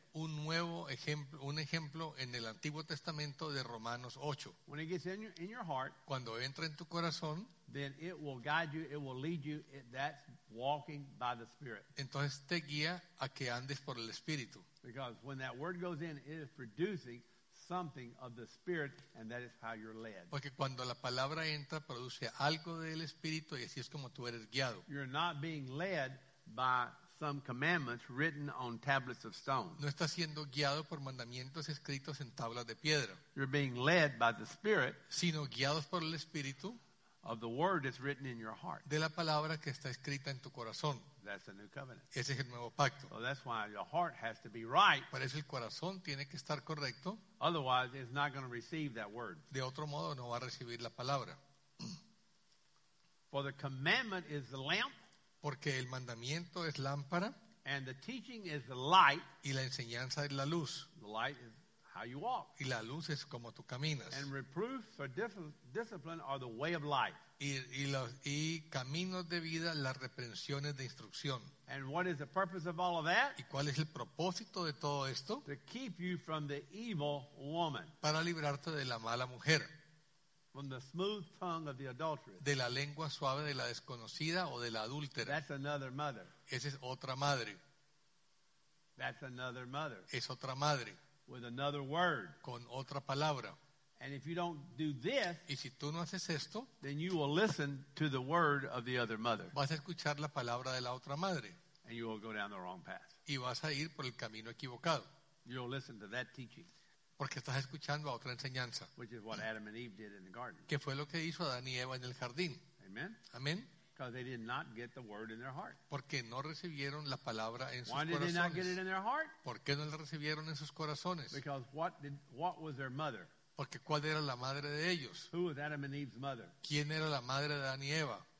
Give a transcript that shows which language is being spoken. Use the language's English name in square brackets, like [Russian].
[Spanish] un nuevo ejemplo, un ejemplo en el Antiguo Testamento de Romanos 8. [English] When it gets in your heart, [Spanish] cuando entra en tu corazón, [English] then it will guide you, it will lead you, that's walking by the Spirit. [Spanish] Entonces te guía a que andes por el Espíritu. [English] Because when that word goes in, it is producing something of the Spirit, and that is how you're led. [Spanish] Porque cuando la palabra entra, produce algo del Espíritu, y así es como tú eres guiado. [English] You're not being led by some commandments written on tablets of stone. [Spanish] No estás siendo guiado por mandamientos escritos en tablas de piedra. [English] You're being led by the Spirit, [Spanish] sino guiados por el Espíritu, [English] of the word that's written in your heart. [Spanish] De la palabra que está escrita en tu corazón. [English] That's the new covenant. [Spanish] Ese es el nuevo pacto. [English] So that's why your heart has to be right. [Spanish] Por eso el corazón tiene que estar correcto. [English] Otherwise, it's not going to receive that word. [Spanish] De otro modo, no va a recibir la palabra. [English] For the commandment is the lamp. [Spanish] Porque el mandamiento es lámpara. [English] And the teaching is the light. [Spanish] Y la enseñanza es la luz. [English] The light is how you walk. [Spanish] Y la luz es como tú caminas. [English] And reproofs or discipline are the way of life. [Spanish] Y caminos de vida, las reprensiones de instrucción. [English] And what is the purpose of all of that? [Spanish] ¿Y cuál es el propósito de todo esto? [English] To keep you from the evil woman. [Spanish] Para librarte de la mala mujer. [English] From the smooth tongue of the adulteress. [Spanish] De la lengua suave de la desconocida o de la adúltera. [English] That's another mother. [Spanish] Esa es otra madre. [English] That's another mother. [Spanish] Es otra madre. [English] With another word. [Spanish] Con otra palabra. [English] And if you don't do this, [Spanish] y si tú no haces esto, [English] then you will listen to the word of the other mother. [Spanish] Vas a escuchar la palabra de la otra madre. [English] And you will go down the wrong path. [Spanish] Y vas a ir por el camino equivocado. [English] You'll listen to that teaching. [Spanish] Porque estás escuchando a otra enseñanza. [English] Which is what Adam and Eve did in the garden. [Spanish] Que fue lo que hizo Adán y Eva en el jardín. [English] Amen. [Spanish] Amen. [English] Because they did not get the word in their heart. [Spanish] Porque no recibieron la palabra en sus [English] Why did they not get it in their heart? [Spanish] ¿Por qué no la recibieron en sus corazones? [English] Because what was their mother? [Spanish] Porque ¿cuál era la madre de ellos? [English] Who was Adam and Eve's mother? [Spanish] ¿Quién era la madre de Adán y Eva?